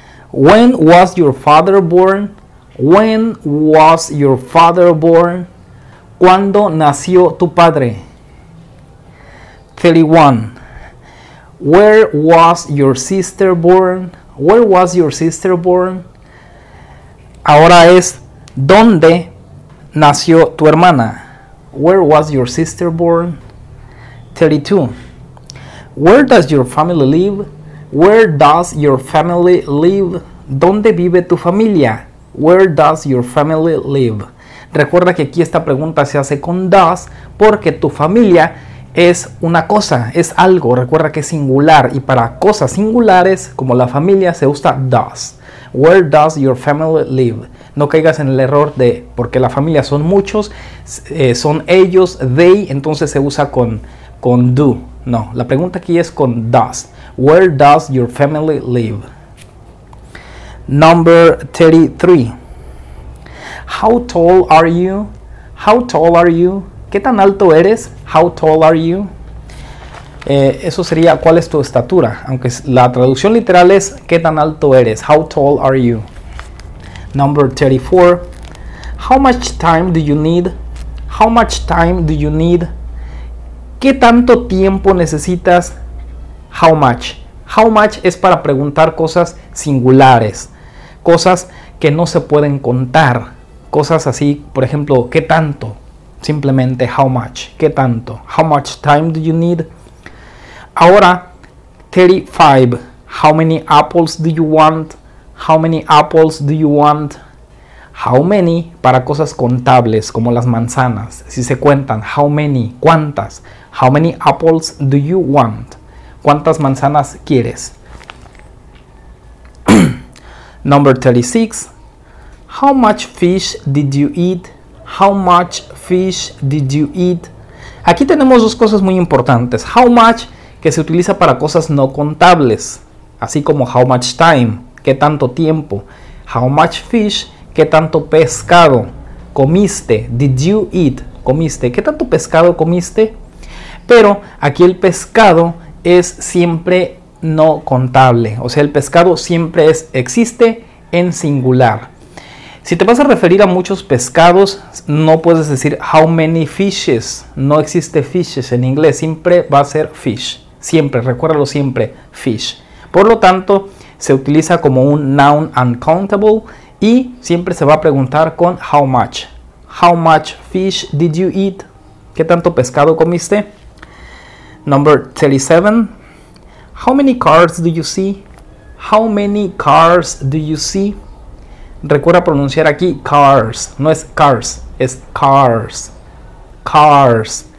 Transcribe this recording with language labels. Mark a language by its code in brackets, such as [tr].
[en] When was your father born? When was your father born? [es] ¿Cuándo nació tu padre? 31. [en] Where was your sister born? Where was your sister born? [es] Ahora es, ¿dónde nació tu hermana? [en] Where was your sister born? 32. Where does your family live? Where does your family live? [es] ¿Dónde vive tu familia? [en] Where does your family live? [es] Recuerda que aquí esta pregunta se hace con does porque tu familia es una cosa, es algo, recuerda que es singular. Y para cosas singulares, como la familia, se usa does. [en] Where does your family live? [es] No caigas en el error de, porque la familia son muchos, son ellos, they, entonces se usa con do. No, la pregunta aquí es con does. [en] Where does your family live? Number 33. How tall are you? How tall are you? [es] ¿Qué tan alto eres? [en] How tall are you? [es] Eso sería, ¿cuál es tu estatura? Aunque la traducción literal es, ¿qué tan alto eres? [en] How tall are you? Number 34. How much time do you need? How much time do you need? [es] ¿Qué tanto tiempo necesitas? [en] How much? [es] How much es para preguntar cosas singulares. Cosas que no se pueden contar. Cosas así, por ejemplo, ¿qué tanto? Simplemente, how much, ¿qué tanto? [en] How much time do you need? [es] Ahora, 35. [en] How many apples do you want? How many apples do you want? [es] How many, para cosas contables, como las manzanas. Si se cuentan, how many, ¿cuántas? [en] How many apples do you want? [es] ¿Cuántas manzanas quieres? [en] Number 36. How much fish did you eat? How much fish did you eat? [es] Aquí tenemos dos cosas muy importantes. How much, que se utiliza para cosas no contables. Así como [en] how much time, [es] qué tanto tiempo. [en] How much fish, [es] qué tanto pescado comiste. [en] Did you eat, [es] comiste. ¿Qué tanto pescado comiste? Pero aquí el pescado es siempre no contable. O sea, el pescado siempre existe en singular. Si te vas a referir a muchos pescados, no puedes decir [en] how many fishes. [es] No existe fishes en inglés. Siempre va a ser fish. Siempre, recuérdalo siempre, fish. Por lo tanto, se utiliza como un noun uncountable y siempre se va a preguntar con how much. [en] How much fish did you eat? [es] ¿Qué tanto pescado comiste? [en] Number 37. How many cars do you see? How many cars do you see? [es] Recuerda pronunciar aquí cars. No es cars, es cars. Cars.